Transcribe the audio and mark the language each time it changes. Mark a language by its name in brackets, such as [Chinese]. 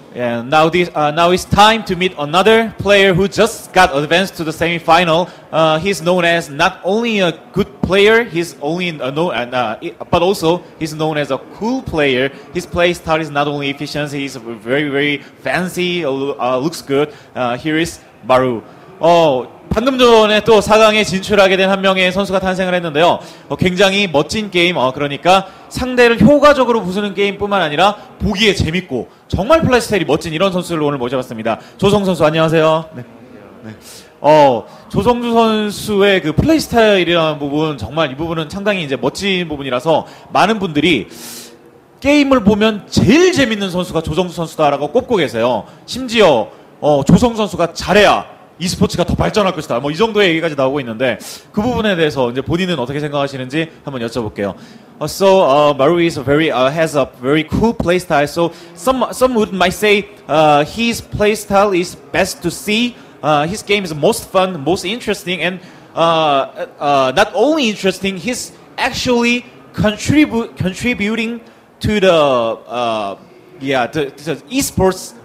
[English] And now, now it's time to meet another player who just got advanced to the semi-final. He's known as not only a good player, he's only but also he's known as a cool player. His play style is not only efficient; he's very, very fancy. Looks good. Here is Maru. [Korean] 방금 전에 또 4강에 진출하게 된 한 명의 선수가 탄생을 했는데요. 굉장히 멋진 게임, 그러니까 상대를 효과적으로 부수는 게임뿐만 아니라 보기에 재밌고 정말 플레이스타일이 멋진 이런 선수를 오늘 모셔봤습니다. 조성주 선수 안녕하세요. 네. 조성주 선수의 그 플레이스타일이라는 부분, 정말 이 부분은 상당히 이제 멋진 부분이라서 많은 분들이 게임을 보면 제일 재밌는 선수가 조성주 선수다라고 꼽고 계세요. 심지어 조성주 선수가 잘해야 e스포츠가 더 발전할 것이다, 뭐 이 정도의 얘기까지 나오고 있는데, 그 부분에 대해서 이제 본인은 어떻게 생각하시는지 한번 여쭤볼게요. [English] So Maru is has a very cool play style. So some would might say his play style is best to see. His game is most fun, most interesting, and not only interesting, he's actually contributing to the to e-sports.